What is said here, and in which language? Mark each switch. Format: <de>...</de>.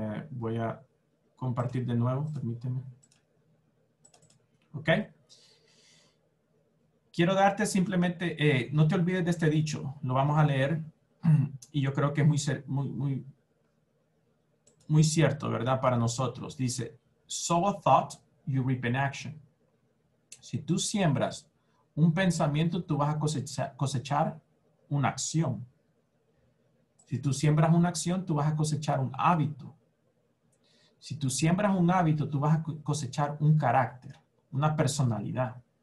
<es>Voy a compartir de nuevo, permíteme. Ok. Quiero darte simplemente, no te olvides de este dicho, lo vamos a leer y yo creo que es muy cierto, ¿verdad? Para nosotros.</es> <en>Dice, sow a thought, you reap an action.</en> <es>Si tú siembras un pensamiento, tú vas a cosechar una acción. Si tú siembras una acción, tú vas a cosechar un hábito. Si tú siembras un hábito, tú vas a cosechar un carácter, una personalidad.</es>